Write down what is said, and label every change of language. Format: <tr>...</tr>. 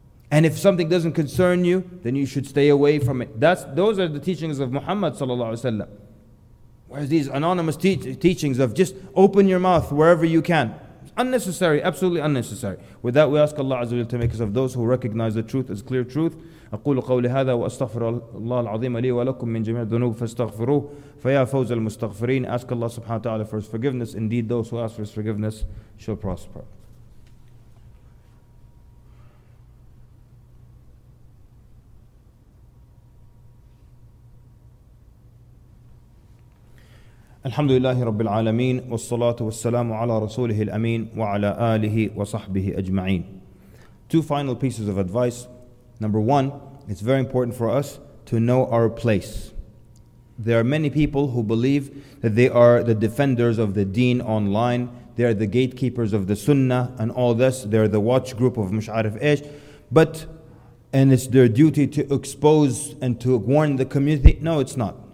<en>And if something doesn't concern you, then you should stay away from it. Those are the teachings of Muhammad sallallahu alaihi wasallam. Whereas these anonymous teachings of just open your mouth wherever you can, it's unnecessary, absolutely unnecessary. With that, we ask Allah Azza wa Jalla to make us of those who recognize the truth as clear truth.</en> <ar>أقول قولي هذا وأستغفر الله العظيم لي ولكم من جميع الذنوب فاستغفروه فيا فوز المستغفرين.</ar> <en>Ask Allah subhanahu wa ta'ala for his forgiveness. Indeed, those who ask for his forgiveness shall prosper.</en> <ar>الحمد لله رب العالمين والصلاة والسلام على رسوله الأمين وعلى آله وصحبه أجمعين.</ar> <en>Two final pieces of advice. Number one, it's very important for us to know our place. There are many people who believe that they are the defenders of the deen online, they are the gatekeepers of the sunnah and all this, they're the watch group of Mush'arif Ish, but, and it's their duty to expose and to warn the community. No, it's not.</en>